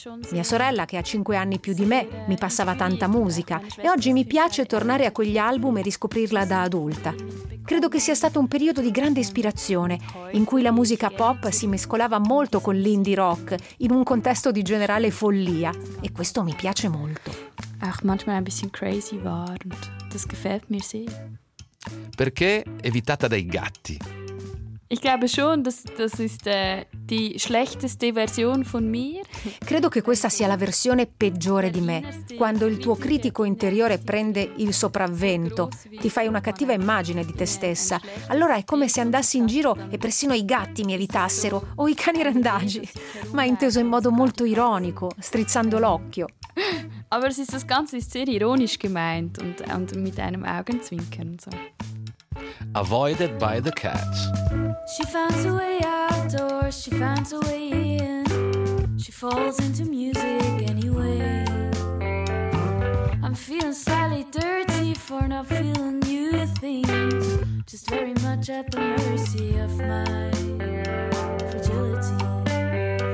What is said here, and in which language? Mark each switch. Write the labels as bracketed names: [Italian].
[Italian] Mia sorella, che ha 5 anni più di me, mi passava tanta musica e oggi mi piace tornare a quegli album e riscoprirla da adulta. Credo che sia stato un periodo di grande ispirazione, in cui la musica pop si mescolava molto con l'indie rock, in un contesto di generale follia, e questo mi piace molto. [German] Ach, manchmal ein bisschen crazy war und das gefällt mir sehr. [Italian] Perché evitata dai gatti? [German] Ich glaube schon, das ist die schlechteste Version von mir. [Italian] Credo che questa sia la versione peggiore di me. Quando il tuo critico interiore prende il sopravvento, ti fai una cattiva immagine di te stessa. Allora è come se andassi in giro e persino i gatti mi evitassero, o i cani randagi. Ma inteso in modo molto ironico, strizzando l'occhio. [German] Aber es ist das Ganze ist sehr ironisch gemeint und mit einem Augenzwinkern so. [English] Avoided by the cats. She finds a way outdoors, she finds a way in. She falls into music anyway. I'm feeling slightly dirty for not feeling new things. Just very much at the mercy of my fragility.